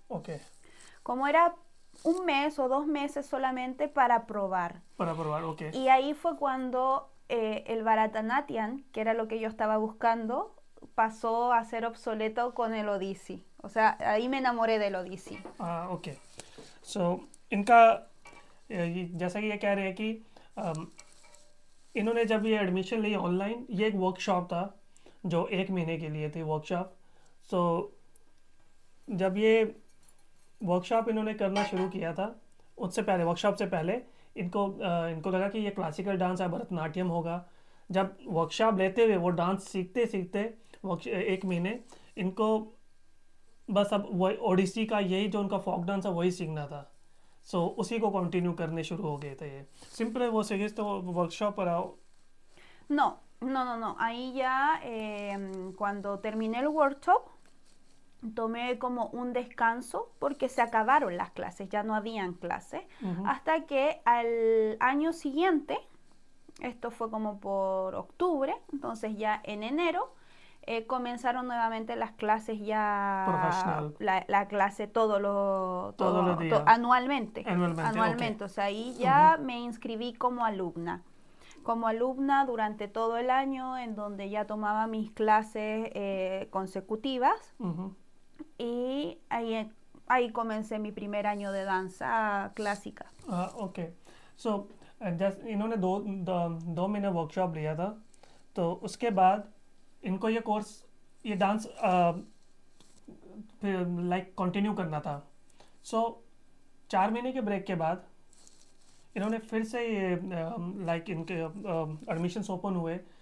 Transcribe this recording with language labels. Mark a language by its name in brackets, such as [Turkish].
[English] Okay. [Spanish] Como era un mes o 2 meses solamente para probar. Para probar, okay. Y ahí fue cuando el Bharatanatyam, que era lo que yo estaba buscando, pasó a ser obsoleto con el Odissi. O sea, ahí me enamoré del Odissi. Ah, okay. [Hindi] So, इनका जैसा कि ये कह रहे हैं कि इन्होंने जब ये एडमिशन ली ऑनलाइन, ये एक वर्कशॉप था जो 1 महीने के लिए थी वर्कशॉप. सो जब ये वर्कशॉप इन्होंने करना शुरू किया था, उससे पहले, वर्कशॉप से पहले इनको इनको लगा कि ये क्लासिकल डांस है, भरतनाट्यम होगा. जब वर्कशॉप लेते हुए वो डांस सीखते सीखते 1 महीने इनको बस अब वही ओडिसी का, यही जो उनका फोक डांस है वही सीखना था. सो उसी को कंटिन्यू करने शुरू हो गए थे ये सिंपल. वो सही तो वर्कशॉप पर आओ. [Spanish] No, no, no, no. Ahí ya, cuando terminé el workshop, tomé como un descanso porque se acabaron las clases, ya no habían clases, hasta que al año siguiente, esto fue como por octubre, entonces ya en enero, comenzaron nuevamente las clases ya, Profesional, la clase todos los todo días, anualmente, anualmente, okay. anualmente, o sea, ahí ya me inscribí como alumna. Como alumna durante todo el año, en donde ya tomaba mis clases consecutivas, y ahí ahí comencé mi primer año de danza clásica. [Hindi] So, just इन्होंने दो दो महीने workshop लिया था, तो उसके बाद इनको ये कोर्स, ये डांस फिर लाइक कंटिन्यू करना था. सो 4 महीने के ब्रेक के बाद इन्होंने फिर से ये लाइक इनके एडमिशन्स ओपन हुए.